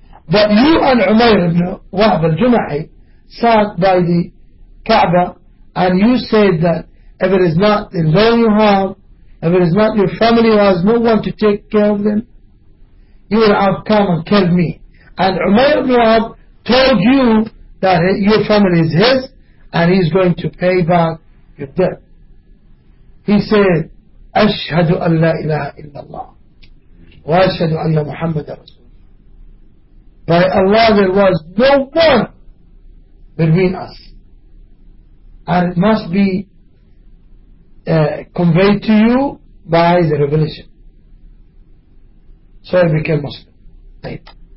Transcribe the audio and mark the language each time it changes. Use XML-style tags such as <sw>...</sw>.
<en>But you and Umayr ibn Wahab al-Jumahi sat by the Kaaba, and you said that if it is not the loan you have, if it is not your family who has no one to take care of them, you will have come and killed me. And Umayr ibn Wahab told you that your family is his, and he's going to pay back your debt." He said,</en> <ar>أشهد أن لا إله إلا الله وأشهد أن محمد رسول الله.</ar> <en>By Allah there was no one between us. And it must be conveyed to you by the revelation. So I became Muslim. Right.</en>